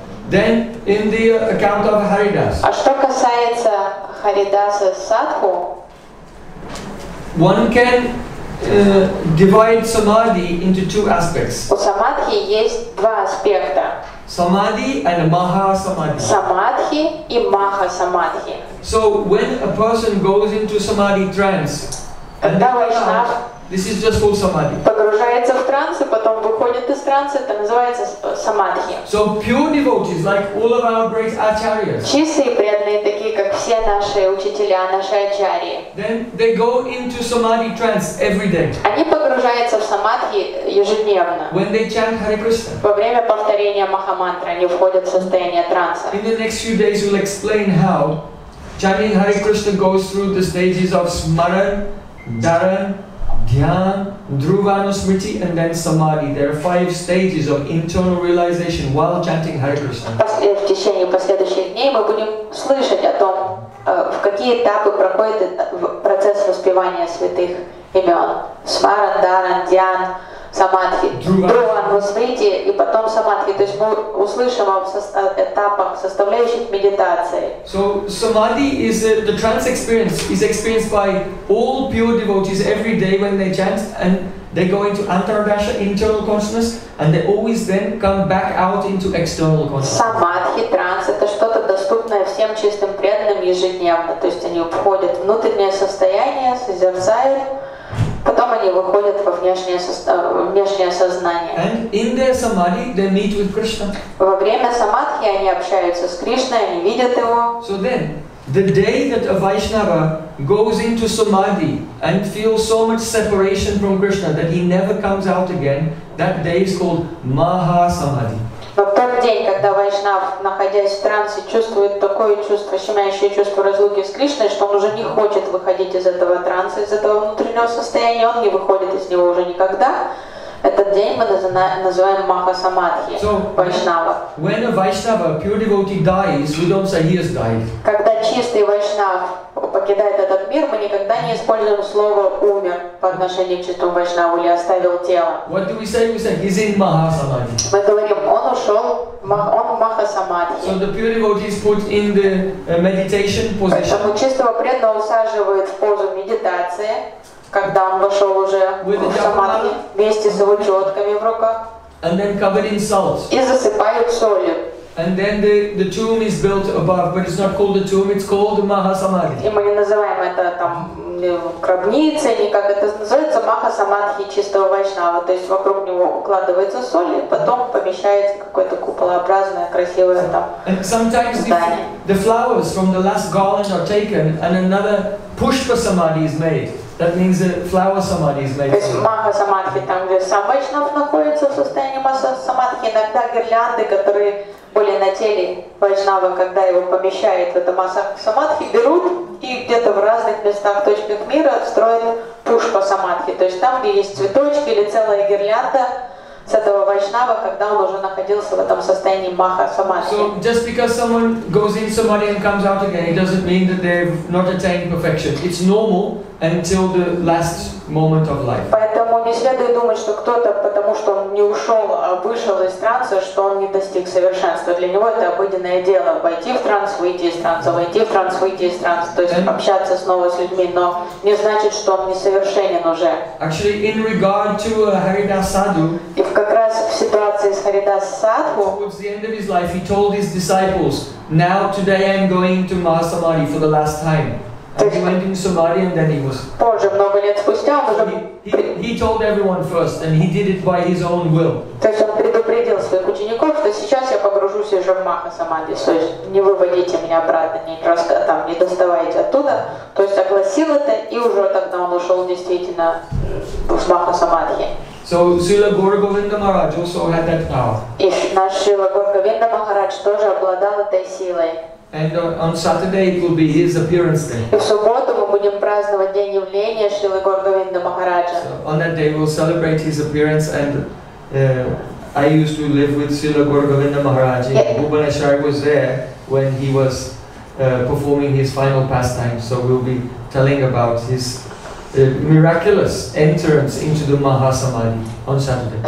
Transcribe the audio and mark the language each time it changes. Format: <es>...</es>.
<en>Then in the account of Haridas.</en> <ru>А что касается Харидаса Садху,</ru> <en>one can divide samadhi into two aspects.</en> <ru>У самадхи есть два аспекта.</ru> <en>Samadhi and maha samadhi.</en> <ru>Samadhi и maha samadhi.</ru> <en>So when a person goes into samadhi trance, and out, this is just called samadhi.</en> <ru>Погружается в транс и потом выходит из транса, это называется самадхи.</ru> <en>So pure devotees like all of our great acharyas.</en> <ru>Чистые преданные такие как все наши учителя, наши ачарьи.</ru> <en>Then they go into samadhi trance every day.</en> <ru>Они погружаются в самадхи ежедневно.</ru> <en>When they chant Hare Krishna.</en> <ru>Во время повторения махамантры они входят в состояние транса.</ru> <en>In the next few days we'll explain how chanting Hare Krishna goes through the stages of smaran, dharan, Dhyan, Dhruvana Smriti, and then Samadhi. There are five stages of internal realization while chanting Hare Krishna.</en> <ru>В течение последующих дней мы будем слышать о том, в какие этапы проходит процесс воспевания святых имен. Смаран, Даран, Дхьян, Самадхи, Дхрувана Смриті, и потом Самадхи. То есть мы услышим о этапах, составляющих медитации.</ru> <en>So Samadhi is the trance experience is experienced by all pure devotees every day when they chant and they go into Antardasha, internal consciousness, and they always then come back out into external consciousness.</en> <ru>Самадхи, транс — это что-то доступное всем чистым преданным ежедневно. То есть они входят в внутреннее состояние, созерцают, потом они выходят во внешнее сознание.</ru> <en>And in their samadhi, they meet with Krishna.</en> <ru>Во время самадхи они общаются с Кришной, они видят его.</ru> <en>So then, the day that a Vaishnava goes into samadhi and feels so much separation from Krishna that he never comes out again, that day is called Maha Samadhi.</en> <ru>Но в тот день, когда Вайшнав, находясь в трансе, чувствует такое чувство, щемящее чувство разлуки с Кришной, что он уже не хочет выходить из этого транса, из этого внутреннего состояния, он не выходит из него уже никогда, этот день мы называем Маха Самадхи, Вайшнава.</ru> <en>When a Vaishnava, pure devotee, dies, we don't say he has died.</en> <ru>Когда чистый Вайшнав покидает этот мир, мы никогда не используем слово «умер» по отношению к чистому Вайшнаву или «оставил тело».</ru> <en>What do we say? We say, he's in Maha Samadhi.</en> <ru>Мы говорим, он ушел, он в Маха Самадхи.</ru> <en>So the pure devotee is put in the meditation position.</en> <ru>Поэтому чистого преданного усаживают в позу медитации, когда он вошел уже в самадхи вместе с его четками в руках.</ru> <en>And then covered in salt.</en> <ru>И засыпают солью.</ru> <en>And then the tomb is built above, but it's not called the tomb, it's called Maha Samadhi.</en> <ru>И мы не называем это там гробницей, никак это называется Маха Самадхи чистого Вайшнава. То есть вокруг него укладывается соль, и потом помещается какое-то куполообразное, красивое там.</ru> <en>And sometimes the flowers from the last garland are taken and another Pushpa Samadhi is made. That means a flower samadhi is made.</en> <ru>То есть Маха Самадхи, там где сам Вайшнав находится в состоянии Маха Самадхи, иногда гирлянды, которые были на теле Вайшнава, когда его помещают в это Маха Самадхи, берут и где-то в разных местах, точках мира строят Пушпа Самадхи. То есть там, где есть цветочки или целая гирлянда с этого Вайшнава, когда он уже находился в этом состоянии Маха Самадхи.</ru> <en>So just because someone goes in samadhi and comes out again, it doesn't mean that they've not attained perfection. It's normal until the last moment of life.</en> <ru>Поэтому не следует думать, что кто-то, потому что он не ушел, а вышел из транса, что он не достиг совершенства. Для него это обыденное дело — войти в транс, выйти из транса, войти в транс, выйти из транса, то есть общаться снова с людьми, но не значит, что он несовершенен уже.</ru> <en>Actually, in regard to Haridas Sadhu,</en> <ru>и как раз в ситуации с Haridas Sadhu,</ru> <en>towards the end of his life, he told his disciples, now today I'm going to Maha Samadhi for the last time. And he went into samadhi and then he was...</en> <ru>Позже, много лет спустя, он уже...</ru> <en>He told everyone first and he did it by his own will.</en> <ru>То есть он предупредил своих учеников, что сейчас я погружусь уже в Маха Самадхи. То есть не выводите меня обратно, не доставайте оттуда. То есть огласил это и уже тогда он ушел действительно в Маха Самадхи.</ru> <en>So Srila Gaura Govinda Maharaj also had that power.</en> <ru>И наш Srila Gaura Govinda Maharaj тоже обладал этой силой.</ru> <en>And on Saturday it will be his appearance day.</en> <ru>В субботу мы будем праздновать день явления Шрилы Гаура Говинда Махараджа.</ru> <en>On that day we'll celebrate his appearance, and I used to live with Srila Gaura Govinda Maharaj. Bhubaneswar was there when he was performing his final pastime. So we'll be telling about his miraculous entrance into the Mahasamadhi on Saturday.</en>